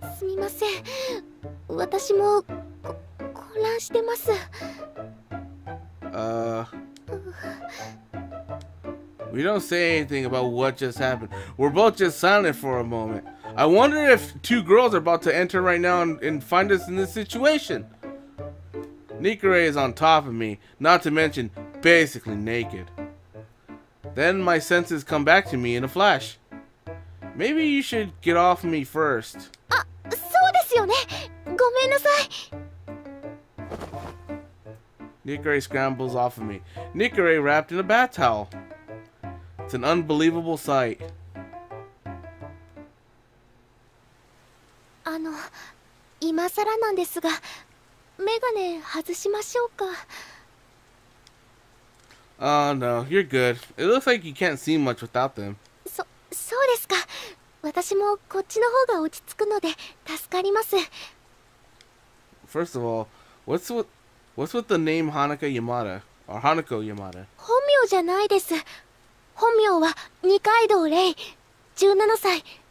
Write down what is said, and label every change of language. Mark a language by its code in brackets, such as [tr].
[ja] すみません。私も混乱してます。 [en] We don't say anything about what just happened. We're both just silent for a moment. I wonder if two girls are about to enter right now and find us in this situation. Nikore is on top of me, not to mention basically naked. Then my senses come back to me in a flash. Maybe you should get off me first. [ja] そうですよね。ごめんなさい。 [en] Nikore scrambles off of me. Nikore wrapped in a bath towel. It's an unbelievable sight. [ja] あの、今更なんですが、メガネ外しましょうか? [en] Oh no, you're good. It looks like you can't see much without them. [ja] そうですか。私もこっちの方が落ち着くので助かります。 [en] First of all, what's with the name Hanako Yamada? Or Hanako Yamada? [ja] 本名じゃないです。本名は二階堂レイ、 17歳。